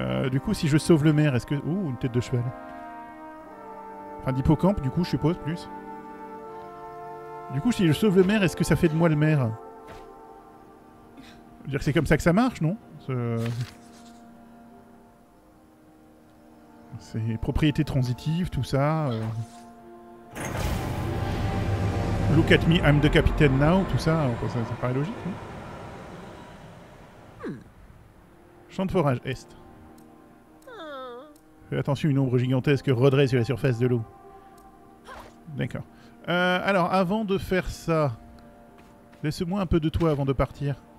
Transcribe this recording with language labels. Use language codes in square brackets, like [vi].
[fr] Du coup, si je sauve le maire, est-ce que... Ouh, une tête de cheval. Enfin, d'hippocampe, du coup, je suppose, plus. Du coup, si je sauve le maire, est-ce que ça fait de moi le maire? Je veux dire que c'est comme ça que ça marche, non? C'est propriété transitive, tout ça. [en] Look at me, I'm the captain now, [fr] tout ça. Enfin, ça paraît logique, non? Champ de forage, est. Fais attention, une ombre gigantesque rôderait sur la surface de l'eau. D'accord. Alors, avant de faire ça, laisse-moi un peu de toi avant de partir.